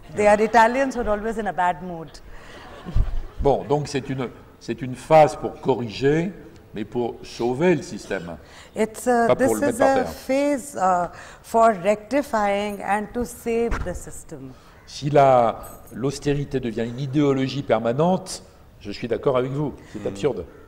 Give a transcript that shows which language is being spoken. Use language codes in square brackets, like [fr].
[en] They are Italians who are always in a bad mood. [fr] Bon, donc c'est une phase pour corriger, mais pour sauver le système. [en] This is a phase for rectifying and to save the system. [fr] Si l'austérité devient une idéologie permanente, je suis d'accord avec vous, c'est absurde.